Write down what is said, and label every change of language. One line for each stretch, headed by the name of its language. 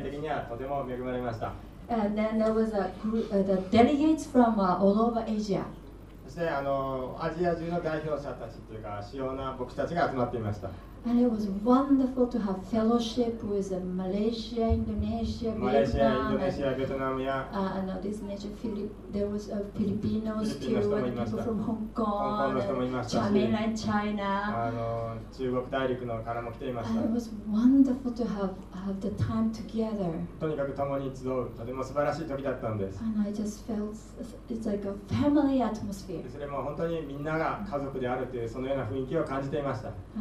English: And then there was a group, the delegates from all over Asia.
Japanese: そしてアジア中の代表者たちというか主要な牧師たちが集まっていました。
English: And it was wonderful to have fellowship with Malaysia, Indonesia, Vietnam, and this nation, there was Filipinos too, and people from Hong Kong, mainland China.
Japanese: 中国大陸のからも来ていました。
English: And it was wonderful to have the time together.
Japanese: とにかく共に集う、とても素晴らしい時だったんです。
English: And I just felt it's like a family atmosphere.
Japanese: それも本当にみんなが家族であるというそのような雰囲気を感じていました。